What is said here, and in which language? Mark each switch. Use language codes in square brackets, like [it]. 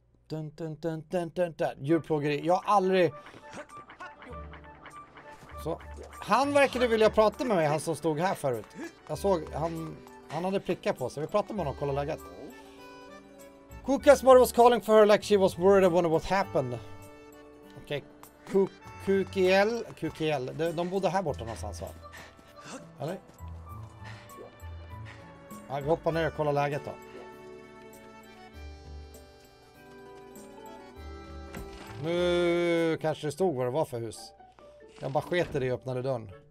[sv] Dun, dun, dun, dun, dun, dun. Djurplågeri, jag har aldrig... Så, han verkade vilja prata med mig, han som stod här förut. Jag såg, han hade prickar på sig, vi pratade med honom, kolla läget. [en] Kuka's mother was calling for her like she was worried about what happened. [sv] Okej, QQL, de bodde här borta någonstans va? Eller? Ja, vi hoppar ner och kollar läget då. Nu kanske det stod vad det var för hus. Jag bara skete det och öppnade dörren.